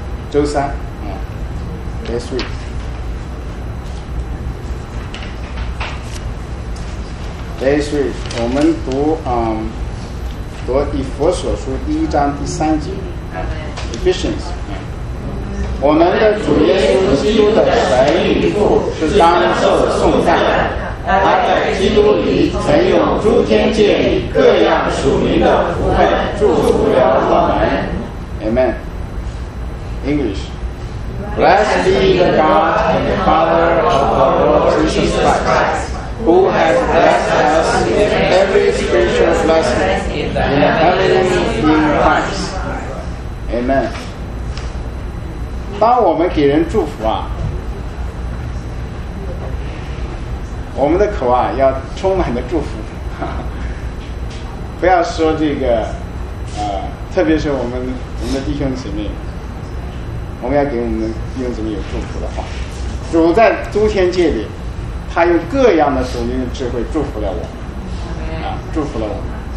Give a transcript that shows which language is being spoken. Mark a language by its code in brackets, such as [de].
[zh] 周三啊 [en] This week [zh] 第一节，我们读读以弗所书第一章第三节 ，Ephesians。我们的主耶稣基督的神与父是当受颂赞的，他在基督里曾用诸天界里各样属灵的福分祝福了我们。 [en] Amen. English. Blessed be the God and the Father of our Lord Jesus Christ. Who has blessed us with every spiritual blessing in the heavenly in Christ. Amen. [zh] 当我们给人祝福啊，我们的口啊要充满着祝福，不要说这个特别是我们的弟兄姊妹，我们要给我们弟兄姊妹有祝福的话，主在诸天界里他用各样的属灵的智慧祝福了我们，啊，祝福了我们。